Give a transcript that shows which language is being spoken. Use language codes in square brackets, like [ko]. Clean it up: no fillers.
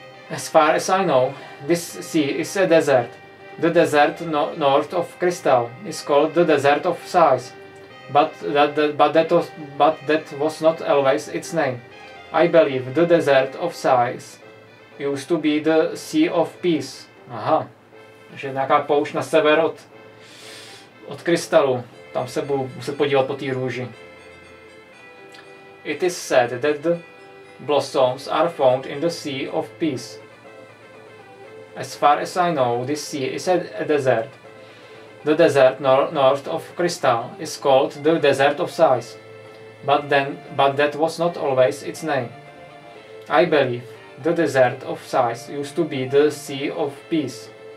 [en] As far as I know, this sea is a desert. The desert north of Crystal is called the Desert of Sighs, but that was not always its name. I believe the Desert of Sighs used to be the Sea of Peace. [cs] Aha, že nějaká poušť na sever od Crystalu. Tam se budu muset podívat po té růži. [en] It is said that the blossoms are found in the Sea of Peace. As far as I know, this sea is a desert. The desert north of Crystal is called the Desert of Sighs. But that was not always its name. I believe the Desert of Sighs used to be the Sea of Peace.